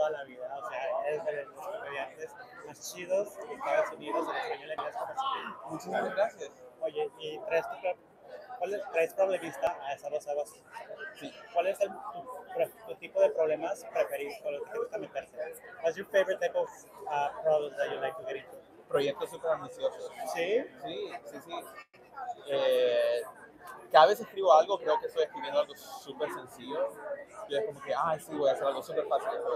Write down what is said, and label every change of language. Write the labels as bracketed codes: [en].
[es] comediantes más chidos de Estados Unidos, en español, en inglés, como se llama. Muchísimas gracias. Oye, y traes problemista a esa Rosa Voz. Sí. ¿Cuál es tu tipo de problemas preferido con los que te gusta meterse? [en] What's your favorite type of problems that you like to get into? [es] Proyectos súper ambiciosos. ¿Sí? Sí, sí, sí. Cada vez escribo algo, creo que estoy escribiendo algo súper sencillo. Yo es como que, ay, sí, voy a hacer algo súper fácil.